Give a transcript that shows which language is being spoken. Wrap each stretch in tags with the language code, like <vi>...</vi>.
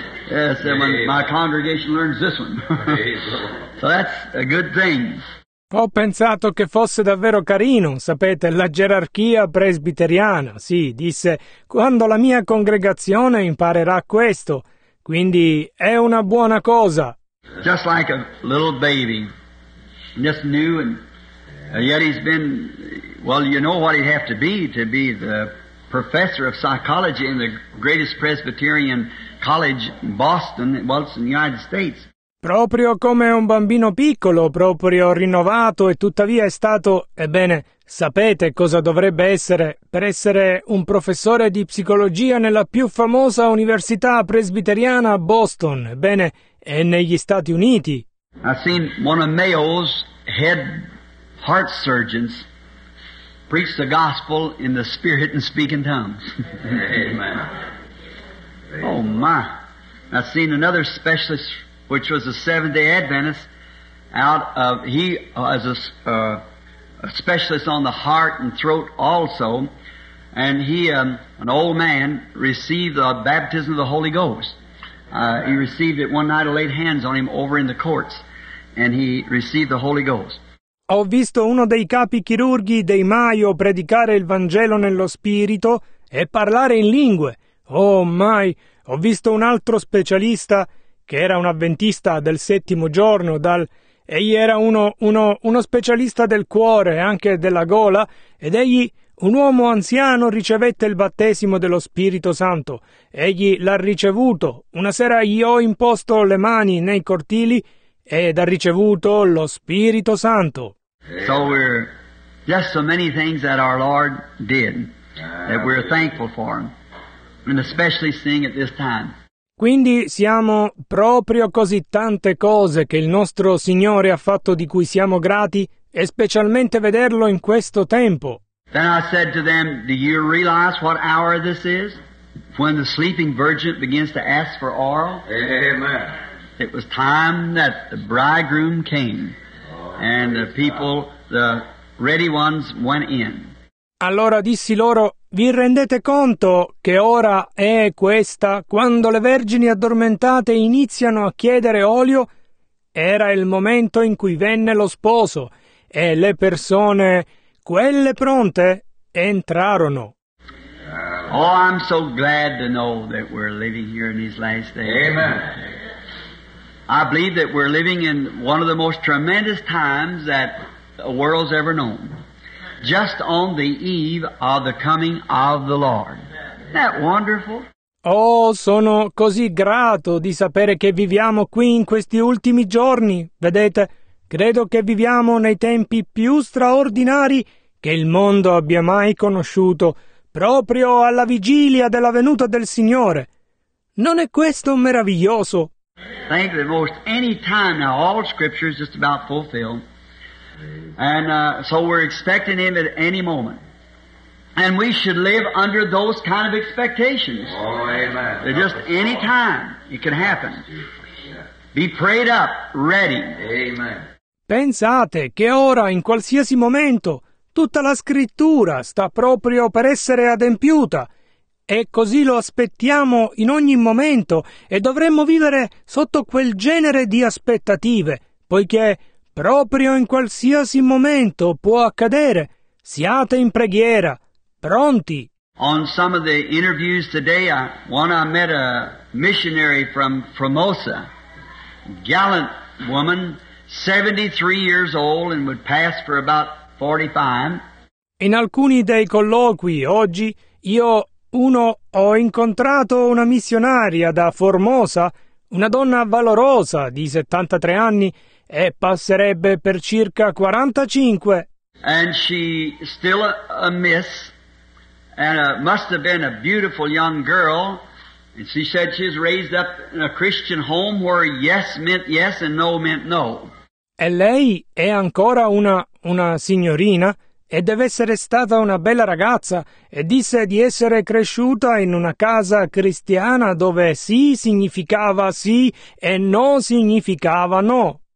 <en>Yes, and when my congregation learns this one. So that's a good thing.</en> <it>Ho pensato che fosse davvero carino, sapete, la gerarchia presbiteriana. Sì, disse, quando la mia congregazione imparerà questo. Quindi è una buona cosa.</it> <en>Just like a little baby, just new, and yet he's been, well, you know what he'd have to be the professor of psychology in the greatest Presbyterian college in Boston, well, it's in the United States.</en> <it>Proprio come un bambino piccolo, proprio rinnovato e tuttavia è stato, ebbene, sapete cosa dovrebbe essere per essere un professore di psicologia nella più famosa università presbiteriana a Boston, ebbene, è negli Stati Uniti.</it> <en>I've seen one of Mayo's head heart surgeons preach the gospel in the spirit and speak in tongues. Amen. Oh my. I've seen another specialist which was a Seventh-day Adventist, out of, he was a specialist on the heart and throat also, and he, an old man, received the baptism of the Holy Ghost. He received it one night, I laid hands on him over in the courts, and he received the Holy Ghost.</en> <it>Ho visto uno dei capi chirurghi dei Mayo predicare il Vangelo nello spirito e parlare in lingue. Oh, mai! Ho visto un altro specialista che era un avventista del settimo giorno, egli era uno specialista del cuore e anche della gola, ed egli, un uomo anziano, ricevette il battesimo dello Spirito Santo. Egli l'ha ricevuto. Una sera gli ho imposto le mani nei cortili ed ha ricevuto lo Spirito Santo.</it> <en>So we're just so many things that our Lord did that we're thankful for, and especially seeing at this time.</en> <it>Quindi siamo proprio così tante cose che il nostro Signore ha fatto di cui siamo grati, e specialmente vederlo in questo tempo.</it> <en>Then I said to them, do you realize what hour this is? When the sleeping virgin begins to ask for oil? Amen. It was time that the bridegroom came, and the people, the ready ones, went in.</en> <it>Allora dissi loro, vi rendete conto che ora è questa, quando le vergini addormentate iniziano a chiedere olio? Era il momento in cui venne lo sposo, e le persone, quelle pronte, entrarono.</it> <en>Oh, I'm so glad to know that we're living here in these last days. Amen. I believe that we're living in one of the most tremendous times that the world's ever known. Just on the eve of the coming of the Lord. Isn't that wonderful?</en> <it>Oh, sono così grato di sapere che viviamo qui in questi ultimi giorni. Vedete, credo che viviamo nei tempi più straordinari che il mondo abbia mai conosciuto, proprio alla vigilia della venuta del Signore. Non è questo meraviglioso?</it> <en>Think that most any time now all scripture is just about fulfilled. And so we're expecting him at any moment. And we should live under those kind of expectations. Oh, amen. Just any time it can happen. Be prayed up, ready. Amen.</en> <it>Pensate che ora, in qualsiasi momento, tutta la scrittura sta proprio per essere adempiuta. E così lo aspettiamo in ogni momento. E dovremmo vivere sotto quel genere di aspettative, poiché proprio in qualsiasi momento può accadere. Siate in preghiera, pronti.</it> <en>On some of the interviews today, one I met a missionary from Formosa, gallant woman, 73 years old and would pass for about 45.</en> <it>In alcuni dei colloqui oggi, ho incontrato una missionaria da Formosa, una donna valorosa di 73 anni, e passerebbe per circa 45.</it> <en>And she still a miss, and must have been a beautiful young girl. And she said she was raised up in a Christian home where yes meant yes and no meant no.</en> <it>E lei è ancora una una signorina, e deve essere stata una bella ragazza, e disse di essere cresciuta in una casa cristiana dove sì significava sì e no significava no.</it>